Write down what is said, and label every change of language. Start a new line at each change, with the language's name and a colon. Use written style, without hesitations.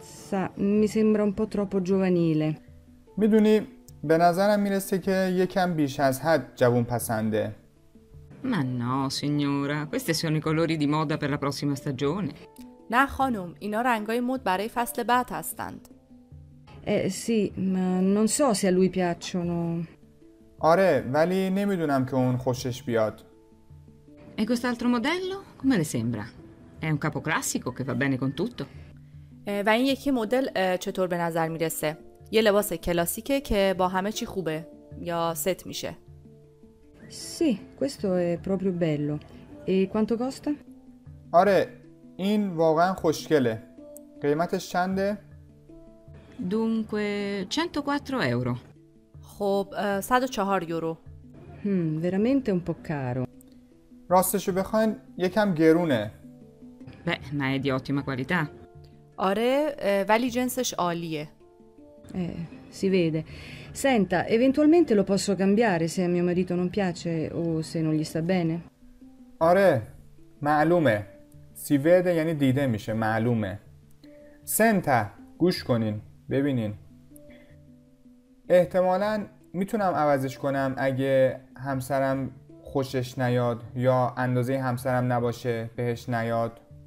Italian: Sa, mi sembra un po' troppo giovanile.
Persian: میدونی به نظرم میرسه که یکم بیش از حد جوون پسنده.
Italian: Ma no, signora. Questi sono i colori di moda per la prossima stagione.
Persian: نه خانم، اینا رنگای مد برای فصل بعد هستند.
Italian: Sì, ma non so se a lui piacciono.
Persian: آره ولی نمیدونم که اون خوشش بیاد.
Italian: E quest'altro modello? Come le sembra? È un capo classico che va bene con tutto.
Persian: و این یکی مدل چطور به نظر میرسه؟ یه لباس کلاسیکه که با همه چی خوبه یا ست میشه.
Italian: Sì, questo è proprio bello. E quanto costa?
Persian: آره این واقعا خوشگله. قیمتش چنده؟
Italian: Dunque 104 euro.
Persian: خب 104 یورو.
Italian: Veramente un po' caro.
Persian: راستشو بخواین یکم گرونه.
Italian: Beh, ma è di ottima qualità.
Persian: آره ولی جنسش عالیه.
Italian: Si vede. Senta, eventualmente lo posso cambiare se a mio marito non piace o se non gli sta bene.
Persian: آره معلومه.
Italian: Si vede
Persian: یعنی دیده میشه. معلومه.
Italian: Senta,
Persian: گوش کنین. ببینین. احتمالاً میتونم عوضش کنم اگه همسرم خوشش نیاد یا اندازه همسرم نباشه بهش نیاد.